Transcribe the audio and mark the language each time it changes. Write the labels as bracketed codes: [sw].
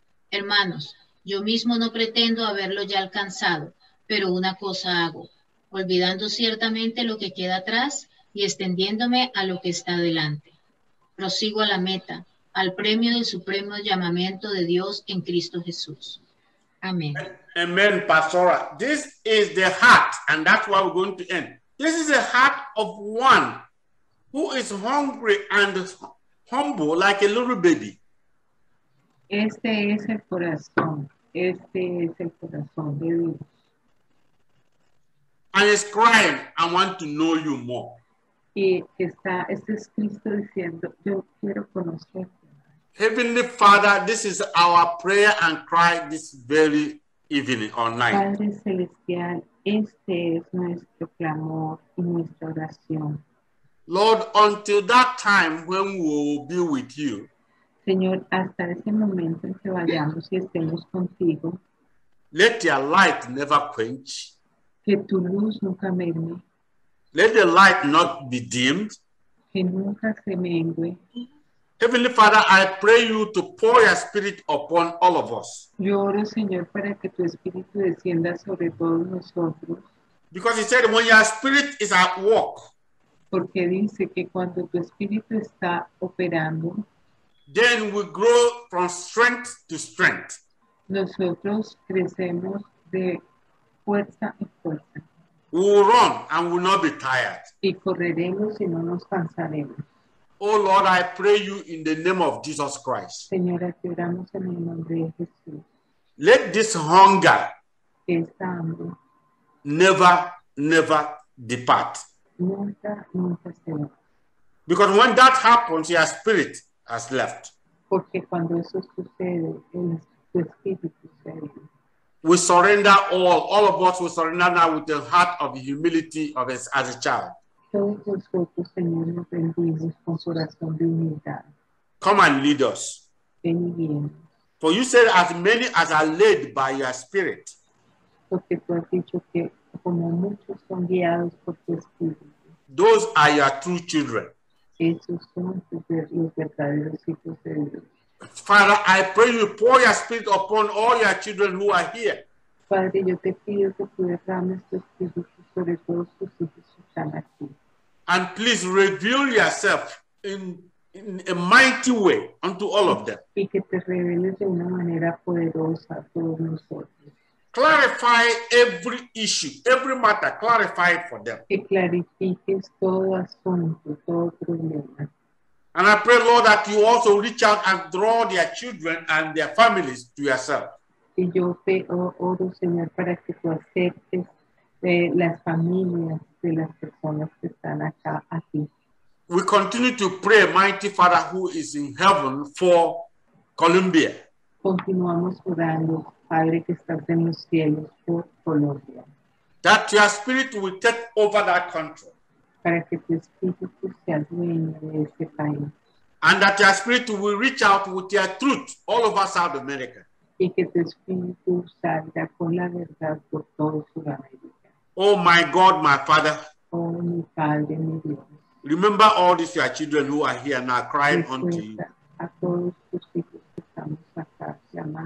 [es] Hermanos, yo mismo no pretendo haberlo ya alcanzado, pero una cosa hago, olvidando ciertamente lo que queda atrás y extendiéndome a lo que está delante. Prosigo a la meta, al premio del supremo llamamiento de Dios en Cristo Jesús. Amén. [en] Amen, Pastora. This is the heart, and that's where we're going to end. This is the heart of one who is hungry and humble like a little baby. [es] Este es el corazón. Este es el corazón de Dios. [en] And he's crying, I want to know you more. [es] Y está, este es Cristo diciendo, yo quiero conocerte. [en] Heavenly Father, this is our prayer and cry this very evening or night. [es] Padre Celestial, este es nuestro clamor y nuestra oración. [en] Lord, until that time when we will be with you, [es] Señor, hasta ese momento en que vayamos y estemos contigo. [en] Let your light never quench. [es] Que tu luz nunca merme. [en] Let the light not be dimmed. [es] Que nunca se mengue. [en] Heavenly Father, I pray you to pour your spirit upon all of us. [es] Yo oro, Señor, para que tu espíritu descienda sobre todos nosotros. [en] Because he said when your spirit is at work. [es] Porque dice que cuando tu espíritu está operando, [en] then we grow from strength to strength. [es] Nosotros crecemos de fuerza en fuerza. [en] We will run and will not be tired. [es] Y correremos y no nos cansaremos. [en] Oh Lord, I pray you in the name of Jesus Christ. [es] Señora, te oramos en el nombre de Jesús. [en] Let this hunger [es] esta hambre [en] never, never depart. [es] Nunca, nunca se va. [en] Because when that happens, your spirit has left. [es] Porque cuando eso sucede, el espíritu se va. [en] We surrender all of us, we surrender now with the heart of humility of us as a child. [es] Todos nosotros, Señor, nos rendimos con corazón de humildad. [en] Come and lead us. [es] Ven y guíenos. [en] For you said, as many as are led by your spirit. [es] Porque tú has dicho que como muchos son guiados por tu espíritu. [en] Those are your true children. [es] Esos son los verdaderos hijos de Dios. [en] Father, I pray you pour your spirit upon all your children who are here. [es] Padre, yo te pido que tú derrames tu espíritu sobre todos tus hijos que están aquí. [en] And please reveal yourself in a mighty way unto all of them. [es] Y que te reveles de una manera poderosa a todos nosotros. [en] Clarify every issue, every matter, clarify it for them. [es] Que clarifiques todo asunto, todo problema. [en] And I pray, Lord, that you also reach out and draw their children and their families to yourself. [es] Y yo oro, Señor, para que tú aceptes las familias de las personas que están acá aquí. [en] We continue to pray, Mighty Father, who is in heaven, for Colombia. [es] Continuamos orando, Padre, que estás en los cielos, por Colombia. [en] That your spirit will take over that country. [es] Para que tu espíritu sea dueño de este país. [en] And that your spirit will reach out with your truth all over South America. [es] Y que tu espíritu salga con la verdad por todo Sudamérica. [en] Oh, my God, my Father. [es] Oh, mi Padre, mi Dios. [en] Remember all these your children who are here now crying unto you. [es] A todos tus hijos que estamos acá, llamando.